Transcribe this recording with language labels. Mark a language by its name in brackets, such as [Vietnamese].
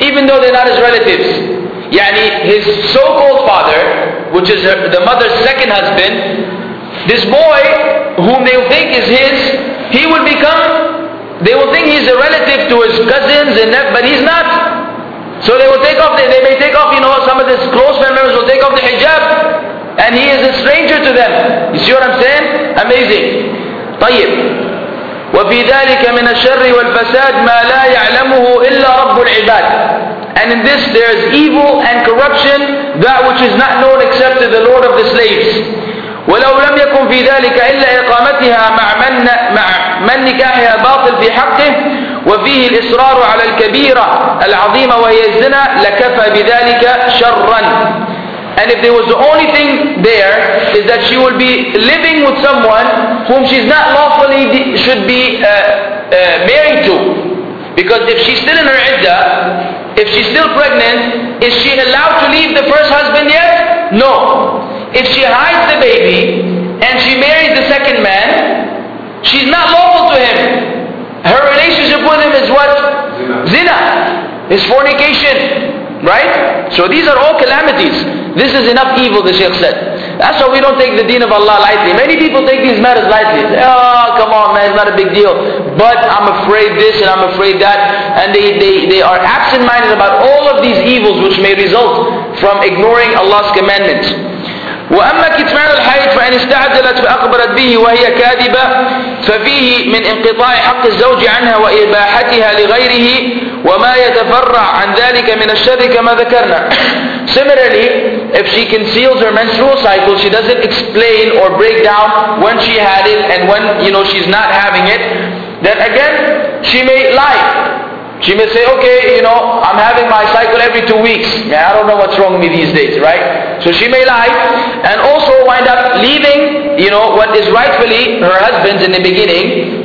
[English] even though they're not his relatives. Yani his so-called father, which is the mother's second husband, this boy, whom they think is his, he will become, they will think he's a relative to his cousins and that, but he's not. So they will take off, they may take off, you know, some of his close family members will take off the hijab, and he is a stranger to them. You see what I'm saying? Amazing. طيب. [Arabic] وفي ذلك من الشر والفساد ما لا يعلمه إلا رب العباد. [English] And in this there is evil and corruption, that which is not known except to the Lord of the slaves. [Arabic] ولو لم يكن في ذلك إلا إقامتها مع من نكاحها باطل في حقه وفيه الإصرار على الكبيرة العظيمة وهي الزنا لكفى بذلك شرا. [English] And if there was the only thing there is that she will be living with someone whom she's not lawfully should be married to, because if she's still in her idda, if she's still pregnant, is she allowed to leave the first husband yet? No. If she hides the baby and she marries the second man, she's not lawful to him. Her relationship with him is what? Zina. It's fornication. Right? So these are all calamities. This is enough evil, the Shaykh said. That's why we don't take the deen of Allah lightly. Many people take these matters lightly. They say, oh, come on man, it's not a big deal. But I'm afraid this and I'm afraid that. And they are absent-minded about all of these evils which may result from ignoring Allah's commandments. [Arabic] وأما كتمان الحيض فإن استعجلت فأخبرت به وهي كاذبة ففيه من انقطاع حق الزوج عنها وإباحتها لغيره وما يتفرع عن ذلك من الشر كما ذكرنا. [English] Similarly, if she conceals her menstrual cycle, she doesn't explain or break down when she had it and when, you know, she's not having it, then again she may lie. She may say, okay, you know, I'm having my cycle every 2 weeks. Yeah, I don't know what's wrong with me these days, right? So she may lie and also wind up leaving, you know, what is rightfully her husband's in the beginning.